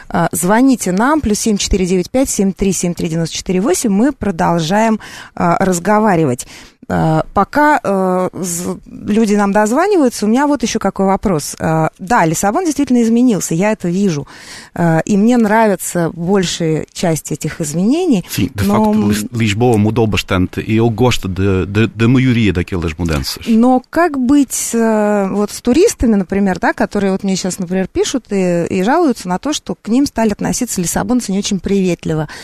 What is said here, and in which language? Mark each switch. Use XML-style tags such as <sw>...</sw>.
<ru>Звоните нам, +7 495 737 394 8, мы продолжаем разговаривать. Пока люди нам дозваниваются, у меня вот еще какой вопрос. Да, Лиссабон действительно изменился, я это вижу. И мне нравится большая часть этих изменений.</ru> <pt>Sim,</pt> <ru>но...</ru> <pt>Lisboa mudou bastante e eu gosto da maioria daquelas mudanças.</pt> <ru>Но как быть вот с туристами, например, да, которые вот мне сейчас, например, пишут и жалуются на то, что к ним стали относиться лиссабонцы не очень приветливо.</ru>